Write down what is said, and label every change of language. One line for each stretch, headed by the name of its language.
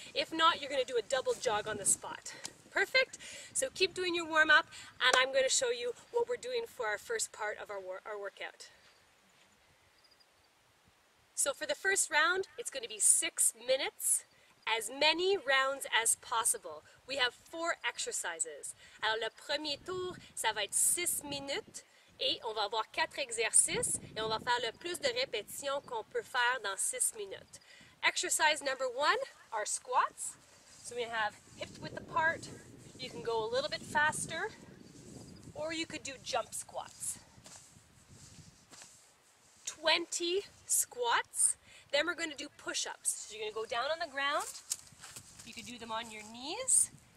English: If not, you're going to do a double jog on the spot. Perfect? So keep doing your warm-up, and I'm going to show you what we're doing for our first part of our workout. So for the first round, it's going to be 6 minutes, as many rounds as possible. We have 4 exercises.
French: Alors le premier tour, ça va être 6 minutes. Et on va avoir 4 exercices et on va faire le plus de répétitions qu'on peut faire dans 6 minutes.
English: Exercise number 1, our squats. So we have hip width apart. You can go a little bit faster or you could do jump squats. 20 squats. Then we're going to do push-ups. So you're going to go down on the ground. You could do them on your knees.